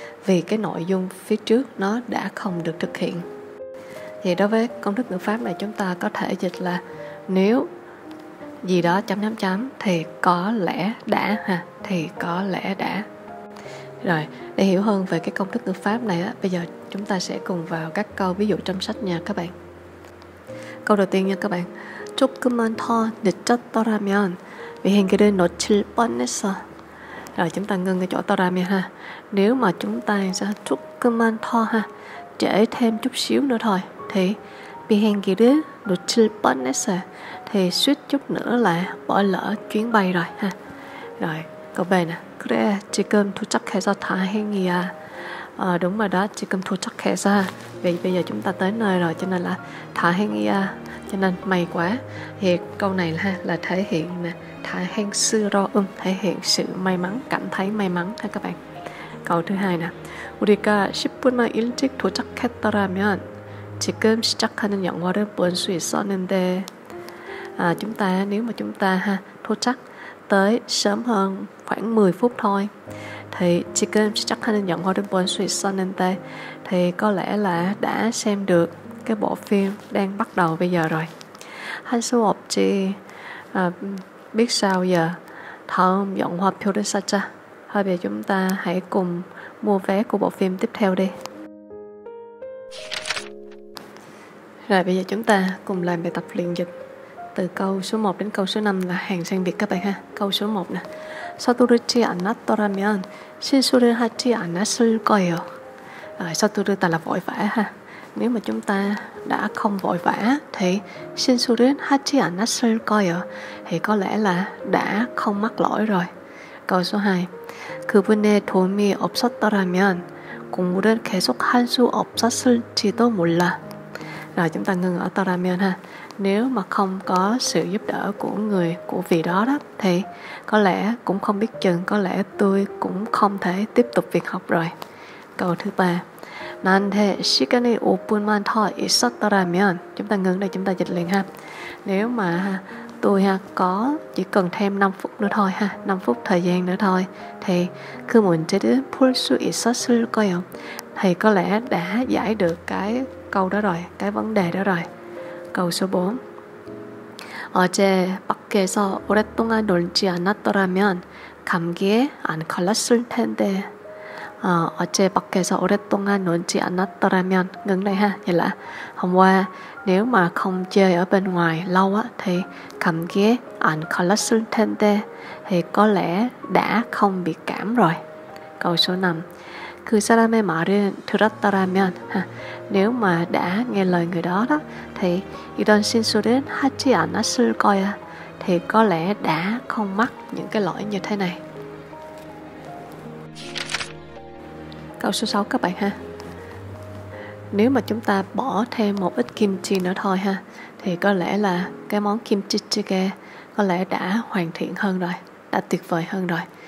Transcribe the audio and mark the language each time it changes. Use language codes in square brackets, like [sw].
[vi] Vì cái nội dung phía trước nó đã không được thực hiện. Thì đối với công thức ngữ pháp này chúng ta có thể dịch là nếu gì đó chấm chấm chấm thì có lẽ đã ha, thì có lẽ đã. Rồi, để hiểu hơn về cái công thức ngữ pháp này á, bây giờ chúng ta sẽ cùng vào các câu ví dụ trong sách nha các bạn. Câu đầu tiên nha các bạn. [ko] 조금만 더 늦었더라면 이 행기를 놓칠 뻔했어. [vi] Rồi chúng ta ngưng cái chỗ 더라면 ha. Nếu mà chúng ta 조금만 더 ha, trễ thêm chút xíu nữa thôi thì 이 행기를 놓칠 뻔했어. Thì suýt chút nữa là bỏ lỡ chuyến bay rồi ha. Rồi, câu về nè. [ko] 그래, 지금 도착해서 다행이야. [vi] Đúng rồi đó, 지금 도착해서. Vì bây giờ chúng ta tới nơi rồi, cho nên là 다행이야. Cho nên may quá. Thì câu này là thể hiện nè, 다행스러움, thể hiện sự may mắn, cảm thấy may mắn ha các bạn. Câu thứ hai nè. [ko] 우리가 10분만 일찍 도착했더라면 지금 시작하는 영화를 볼 수 있었는데. [vi] Chúng ta nếu mà chúng ta ha, 도착 tới sớm hơn khoảng 10 phút thôi thì 지금 시작하는 영화를 볼 수 있었는데 thì có lẽ là đã xem được cái bộ phim đang bắt đầu bây giờ rồi. [ko] 할 수 없지. Biết sao giờ? 다음 영화표를 사자. [vi] Thôi bây giờ chúng ta hãy cùng mua vé của bộ phim tiếp theo đi. Rồi bây giờ chúng ta cùng làm bài tập luyện dịch từ câu số 1 đến câu số 5 là hàng sang Việt các bạn ha. Câu số 1 nè. [ko] 서두르지 않았더라면 실수를 하지 않았을 거예요. [vi] Sotoru ta là vội vã ha. Nếu mà chúng ta đã không vội vã thì 실수를 하지 않았을 거예요 thì có lẽ là đã không mắc lỗi rồi. Câu số 2. [ko] 그분의 도움이 없었더라면 공부를 계속 할 수 없었을지도 몰라. [vi] Rồi chúng ta ngưng ở 더라면 ha. Nếu mà không có sự giúp đỡ của người, của vị đó đó thì có lẽ cũng không biết chừng, có lẽ tôi cũng không thể tiếp tục việc học rồi. Câu thứ 3. [ko] 나한테 시간이 5분만 더 있었더라면. [vi] Chúng ta ngưng đây, chúng ta dịch liền ha. Nếu mà tôi ha, có chỉ cần thêm 5 phút nữa thôi ha, 5 phút thời gian nữa thôi thì 그 문제를 풀 수 있었을 거예요. Thì có lẽ đã giải được cái câu đó rồi, cái vấn đề đó rồi. câu số 4. [ko] 어제 밖에서 오랫동안 놀지 않았더라면 감기에 안 걸렸을 텐데. [vi] 어제 밖에서 오랫동안 놀지 않았더라면 ngừng đây ha, nghĩa là hôm qua nếu mà không chơi ở bên ngoài lâu á thì cảm giác an cholesterol tên tê thì có lẽ đã không bị cảm rồi. Câu số 5. [ko] 그 사람의 말을 들었더라면 ha. [vi] Nếu mà đã nghe lời người đó đó thì 이런 실수를 하지 않았을 거야. Thì có lẽ đã không mắc những cái lỗi như thế này. Câu số 6 các bạn ha. Nếu mà chúng ta bỏ thêm một ít kim chi nữa thôi ha, thì có lẽ là cái món kim chi jjigae có lẽ đã hoàn thiện hơn rồi, đã tuyệt vời hơn rồi.